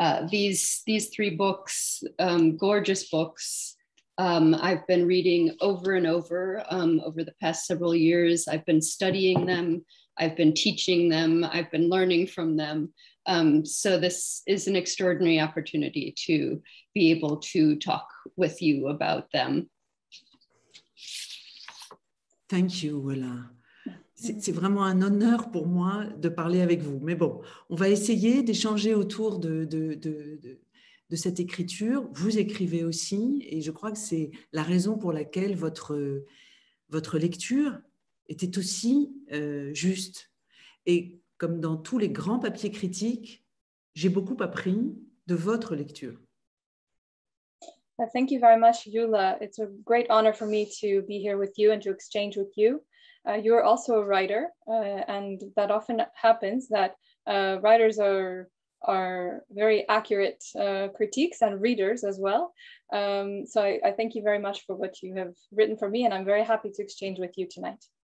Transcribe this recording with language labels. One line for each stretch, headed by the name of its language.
English: These three books, gorgeous books, I've been reading over and over over the past several years. I've been studying them. I've been teaching them. I've been learning from them. So this is an extraordinary opportunity to be able to talk with you about them. Thank you, Eula.
French: C'est vraiment un honneur pour moi de parler avec vous. Mais bon, on va essayer d'échanger autour de cette écriture. Vous écrivez aussi, et je crois que c'est la raison pour laquelle votre lecture était aussi juste. Et comme dans tous les grands papiers critiques, j'ai beaucoup appris de votre lecture.
English: Thank you very much, Eula. It's a great honor for me to be here with you and to exchange with you. You are also a writer, and that often happens that writers are very accurate critiques and readers as well. So I thank you very much for what you have written for me, and I'm very happy to exchange with you tonight.